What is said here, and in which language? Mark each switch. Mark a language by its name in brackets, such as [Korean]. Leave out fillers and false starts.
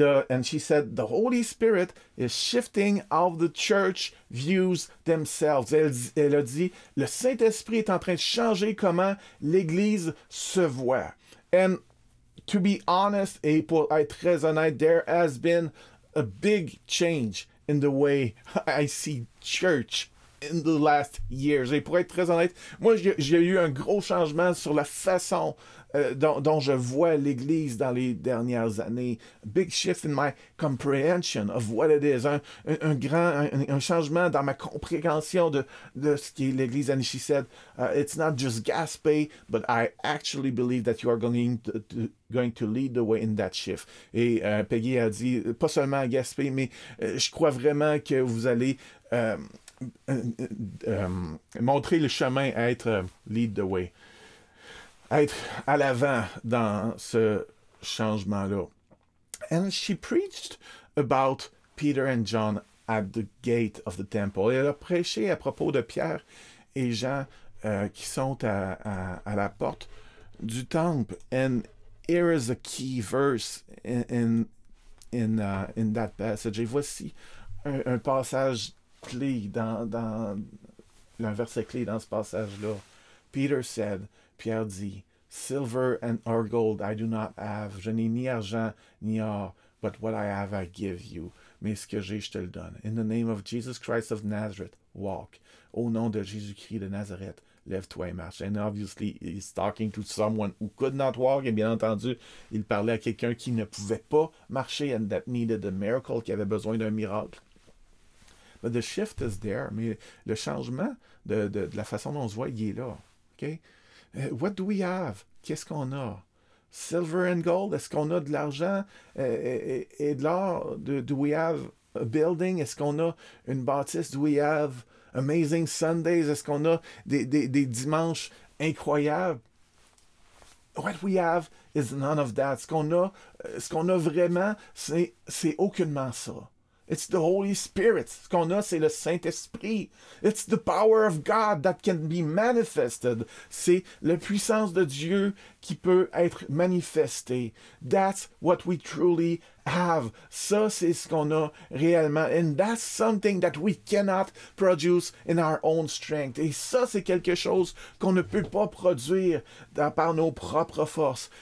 [English] And she said, the Holy Spirit is shifting how the church views themselves. [French] Elle a dit, le Saint-Esprit est en train de changer comment l'Église se voit. [English] And to be honest, [French] et pour être très honnête, [English] there has been a big change in the way I see church in the last years. [French] Et pour être très honnête, moi, j'ai eu un gros changement sur la façon dont je vois l'Église dans les dernières années. [English] Big shift in my comprehension of what it is. [French] Un grand changement dans ma compréhension de ce qu'est l'Église. [English] And she said, it's not just gaspé, but I actually believe that you are going to lead the way in that shift. [French] Et Peggy a dit, pas seulement gaspé, mais je crois vraiment que vous allez montrer le chemin à être [English] lead the way. [French] Être à l'avant dans ce changement-là. [English] And she preached about Peter and John at the gate of the temple. [French] Et elle a prêché à propos de Pierre et Jean qui sont à la porte du temple. [English] And here is a key verse in that passage. [French] Et voici un passage clé un verset clé dans ce passage-là. [English] Peter said, [French] Pierre dit, [English] silver and or gold I do not have. [French] Je n'ai ni argent ni or, [English] but what I have I give you. [French] Mais ce que j'ai, je te le donne. [English] In the name of Jesus Christ of Nazareth, walk. [French] Au nom de Jésus-Christ de Nazareth, lève-toi et marche. [English] And obviously, he's talking to someone who could not walk. [French] Et bien entendu, il parlait à quelqu'un qui ne pouvait pas marcher [English] and that needed a miracle, [French] qui avait besoin d'un miracle. [English] But the shift is there. [French] Mais le changement de la façon dont on se voit, il est là. [English] Okay? What do we have? [French] Qu'est-ce qu'on a? [English] Silver and gold? [French] Est-ce qu'on a de l'argent et de l'or? [English] Do we have a building? [French] Est-ce qu'on a une bâtisse? [English] Do we have amazing Sundays? [French] Est-ce qu'on a des dimanches incroyables? [English] What we have is none of that. [French] Ce qu'on a vraiment, c'est aucunement ça. [English] It's the Holy Spirit. [French] Ce qu'on a, c'est le Saint-Esprit. [English] It's the power of God that can be manifested. [French] C'est la puissance de Dieu qui peut être manifestée. [English] That's what we truly have. [French] Ça, c'est ce qu'on a réellement. [English] And that's something that we cannot produce in our own strength. [French] Et ça, c'est quelque chose qu'on ne peut pas produire par nos propres forces.